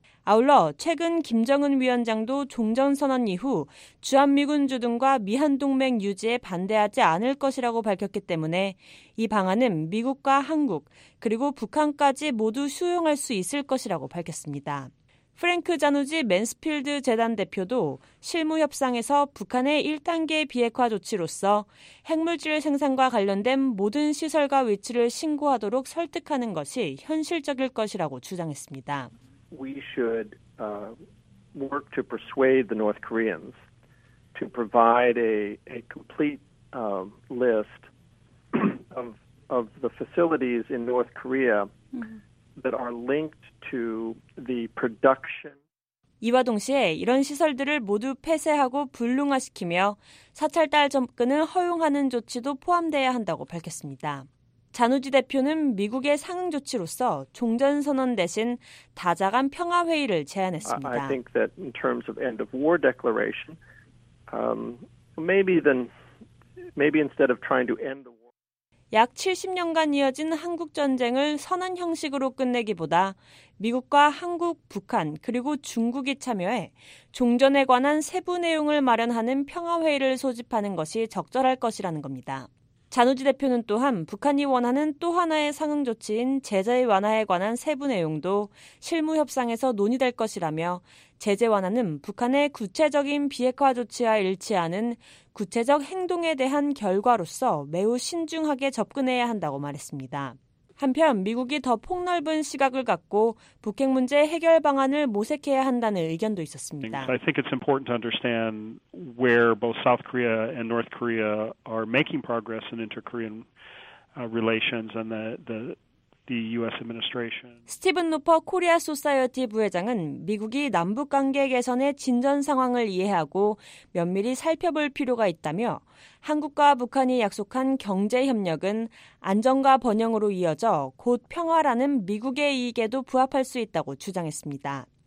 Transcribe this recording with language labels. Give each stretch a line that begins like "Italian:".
Korean: 아울러 최근 김정은 위원장도 종전선언 이후 주한미군 주둔과 미한동맹 유지에 반대하지 않을 것이라고 밝혔기 때문에 이 방안은 미국과 한국 그리고 북한까지 모두 수용할 수 있을 것이라고 밝혔습니다. 프랭크 자누지 맨스필드 재단 대표도 실무협상에서 북한의 1단계 비핵화 조치로서 핵물질 생산과 관련된 모든 시설과 위치를 신고하도록 설득하는 것이 현실적일 것이라고 주장했습니다.
English: We should work to persuade the North Koreans to provide a complete list of the facilities in North Korea that are linked to the production.
Korean: 이와 동시에 이런 시설들을 모두 폐쇄하고 불능화시키며 사찰단 접근을 허용하는 조치도 포함돼야 한다고 밝혔습니다. 자누지 대표는 미국의 상응 조치로서 종전선언 대신 다자간 평화회의를 제안했습니다.
English: I think that in terms of end of war declaration, maybe instead of trying to end the war.
Korean: 약 70년간 이어진 한국전쟁을 선언 형식으로 끝내기보다 미국과 한국, 북한 그리고 중국이 참여해 종전에 관한 세부 내용을 마련하는 평화회의를 소집하는 것이 적절할 것이라는 겁니다. 잔우지 대표는 또한 북한이 원하는 또 하나의 상응 조치인 제재 완화에 관한 세부 내용도 실무 협상에서 논의될 것이라며 제재 완화는 북한의 구체적인 비핵화 조치와 일치하는 구체적 행동에 대한 결과로서 매우 신중하게 접근해야 한다고 말했습니다. 한편 미국이 더 폭넓은 시각을 갖고 북핵 문제 해결 방안을 모색해야 한다는 의견도 있었습니다.
English: I think it's important to understand where both South Korea and North Korea are making progress in inter-Korean relations and the U.S. administration.
Korean: 스티븐 노퍼 코리아 소사이어티 부회장은 미국이 남북 관계 개선의 진전 상황을 이해하고 면밀히 살펴볼 필요가 있다며 한국과 북한이 약속한 경제 협력은 안정과 번영으로 이어져 곧 평화라는 미국의 이익에도 부합할 수 있다고 주장했습니다.